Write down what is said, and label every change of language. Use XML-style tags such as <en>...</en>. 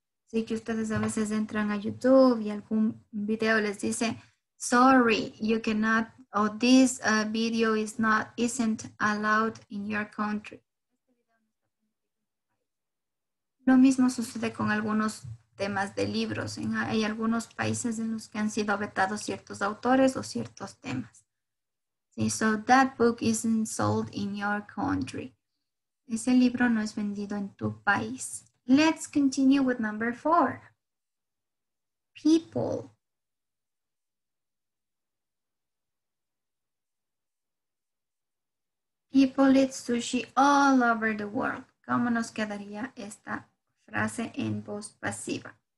<es>Así que ustedes a veces entran a YouTube y algún video les dice,</es> <en>sorry, you cannot, or this video is not, isn't allowed in your country.</en> <es>Lo mismo sucede con algunos temas de libros. Hay algunos países en los que han sido vetados ciertos autores o ciertos temas. Sí,</es> <en>so that book isn't sold in your country.</en> <es>Ese libro no es vendido en tu país.</es> <en>Let's continue with number 4. People. People eat sushi all over the world.</en> <es>¿Cómo nos quedaría esta frase en voz pasiva?</es>